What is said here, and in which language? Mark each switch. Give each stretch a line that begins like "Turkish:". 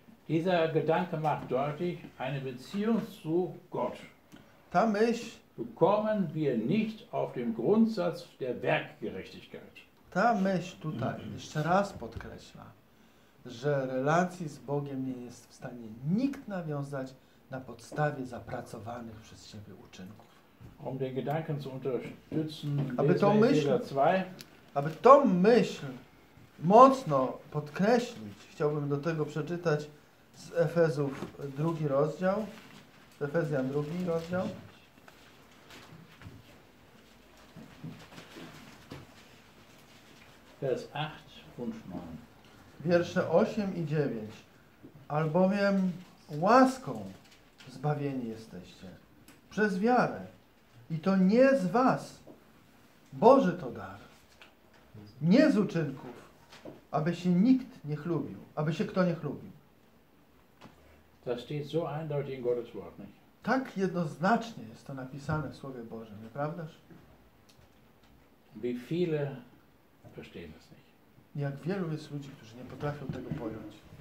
German: Dieser Gedanke macht deutlich eine Beziehung zu Gott.
Polish: Ta myśl
German: bekommen wir nicht auf dem Grundsatz der Werkgerechtigkeit.
Polish: Ta myśl tutaj jeszcze raz podkreśla, że relacji z Bogiem nie jest w stanie nikt nawiązać na podstawie zapracowanych przez Ciebie uczynków.
German: Um den Gedanken zu unterstützen,
Polish: aby tą myśl mocno podkreślić, chciałbym do tego przeczytać z Efezów drugi rozdział, Efezjan drugi rozdział.
German: Vers 8 und 9.
Polish: Wiersze 8 i 9. Albowiem łaską zbawieni jesteście przez wiarę. I to nie z was. Boży to dar. Nie z uczynków, aby się nikt nie chlubił. Aby się kto nie chlubił.
German: Das steht so eindeutig in Gottes Wort, nicht?
Polish: Tak jednoznacznie jest to napisane w Słowie Bożym, nieprawdaż? Wie viele verstehen es nicht. Jak wielu jest ludzi, którzy nie potrafią tego pojąć.